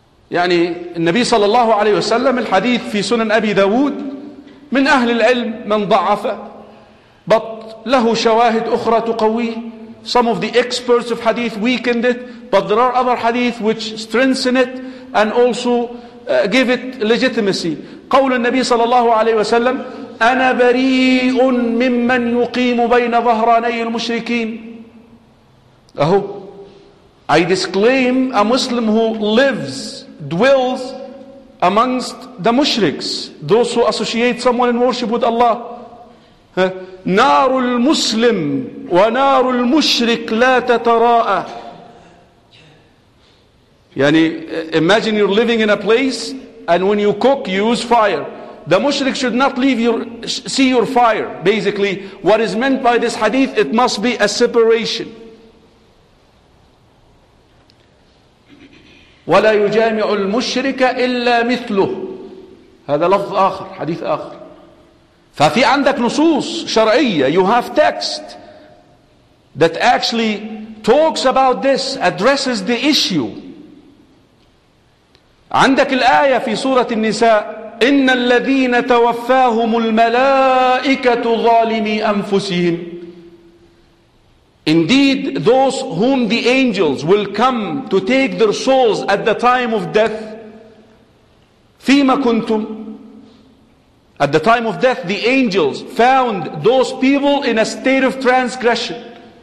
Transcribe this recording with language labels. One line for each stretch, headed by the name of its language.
Arabic: يعني النبي صلى الله عليه وسلم الحديث في سنن أبي داود من أهل العلم من ضعف but له شواهد أخرى تقوي.
English: Some of the experts of hadith weakened it, but there are other hadith which strengthen it and also give it legitimacy.
Arabic: قول النبي صلى الله عليه وسلم أنا بريء ممن يقيم بين ظهراني المشركين. أهو.
English: I disclaim a Muslim who lives, dwells amongst the mushriks, those who associate someone in worship with Allah.
Arabic: نار المسلم ونار المشرك لا تتراءى.
English: يعني imagine you're living in a place and when you cook you use fire. The mushrik should not leave your see your fire. Basically, what is meant by this hadith, it must be a separation.
Arabic: ولا يجامع المشرك إلا مثله. هذا لفظ آخر, حديث آخر. ففي عندك نصوص شرعية,
English: you have text that actually talks about this, addresses the issue.
Arabic: عندك الآية في سورة النساء إن الذين توفاهم الملائكة ظالمي أنفسهم.
English: Indeed, those whom the angels will come to take their souls at the time of death,
Arabic: فِيمَ كُنْتُمْ.
English: At the time of death, the angels found those people in a state of transgression.